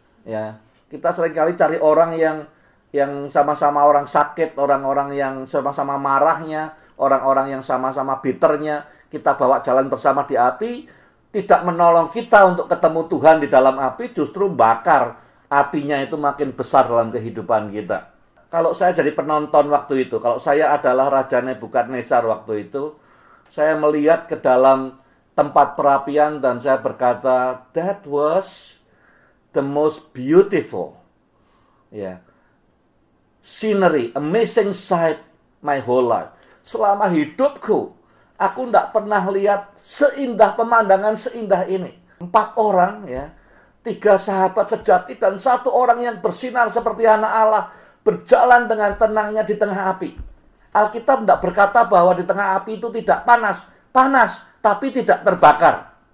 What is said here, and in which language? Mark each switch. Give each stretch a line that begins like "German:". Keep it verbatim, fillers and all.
Indonesian: Ya, kita seringkali cari orang yang yang sama-sama orang sakit, orang-orang yang sama-sama marahnya, orang-orang yang sama-sama bitternya, kita bawa jalan bersama di api, tidak menolong kita untuk ketemu Tuhan di dalam api, justru bakar apinya itu makin besar dalam kehidupan kita. Kalau saya jadi penonton waktu itu, kalau saya adalah Raja Nebukadnezar waktu itu, saya melihat ke dalam tempat perapian dan saya berkata,
English: that was the most beautiful. Ya. Yeah. Scenery, amazing sight my whole life.
Indonesian: Selama hidupku, aku tidak pernah lihat seindah pemandangan seindah ini. Empat orang, ya, tiga sahabat sejati dan satu orang yang bersinar seperti anak Allah berjalan dengan tenangnya di tengah api. Alkitab tidak berkata bahwa di tengah api itu tidak panas, panas tapi tidak terbakar.